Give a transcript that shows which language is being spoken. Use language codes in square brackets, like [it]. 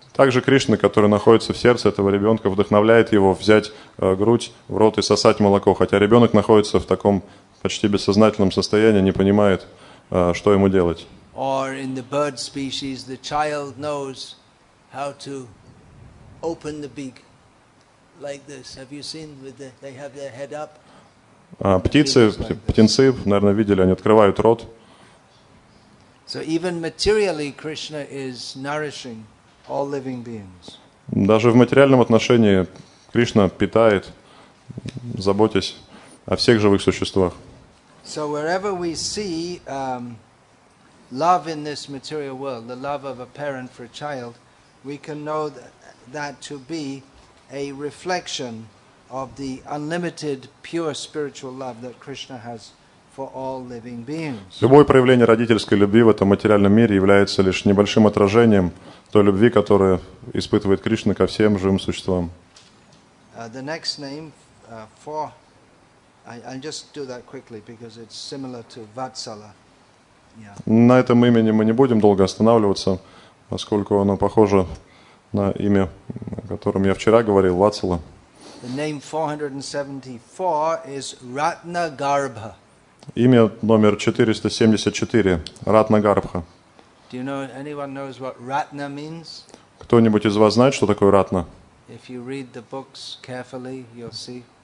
[ru] Также Кришна, который находится в сердце этого ребенка, вдохновляет его взять грудь в рот и сосать молоко, хотя ребенок находится в таком почти бессознательном состоянии, не понимает, что ему делать. [en] Or in the bird species, the child knows how to open the beak like this. Have you seen? With the, they have their head up. [ru] Птицы, птенцы, наверное, видели, они открывают рот. [en] So even materially, Krishna is nourishing all living beings. [ru] Даже в материальном отношении Кришна питает, заботясь о всех живых существах. [en] So wherever we see love in this material world, the love of a parent for a child, we can know that to be a reflection of the unlimited pure spiritual love that Krishna has for all living beings. [ru] Любое проявление родительской любви в этом материальном мире является лишь небольшим отражением той любви, которую испытывает Кришна ко всем живым существам. [en] The next name for I'll just do that quickly because it's similar to Vatsala. Yeah. [ru] На этом имени мы не будем долго останавливаться, поскольку оно похоже на имя, о котором я вчера говорил, Ватсала. [en] The name 474 is Ratnagarbha. [ru] Имя номер 474 – Ратнагарбха. [en] Do you know, anyone knows what Ratna means? [ru] Кто-нибудь из вас знает, что такое Ратна? [en] If you read the books carefully, you'll see.